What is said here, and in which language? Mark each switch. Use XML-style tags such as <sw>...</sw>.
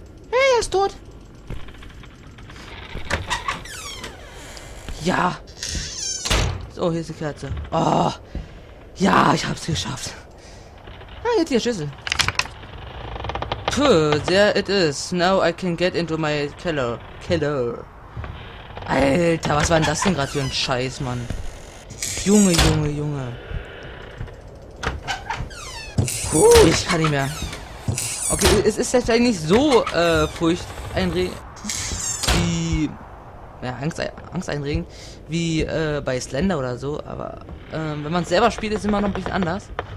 <de>Hey, er ist tot. Ja. So, hier ist die Kerze. Oh. Ja, ich hab's geschafft. Ah, jetzt hier Schlüssel.</de> <en>Puh, there it is. Now I can get into my cellar.</en> <de>Alter, was war denn das denn gerade für ein Scheiß, Mann? Junge, Junge, Junge. Ich kann nicht mehr. Okay, es ist jetzt eigentlich so furchteinregend wie Angsteinregend wie bei Slender oder so, aber wenn man selber spielt, ist immer noch ein bisschen anders.</de>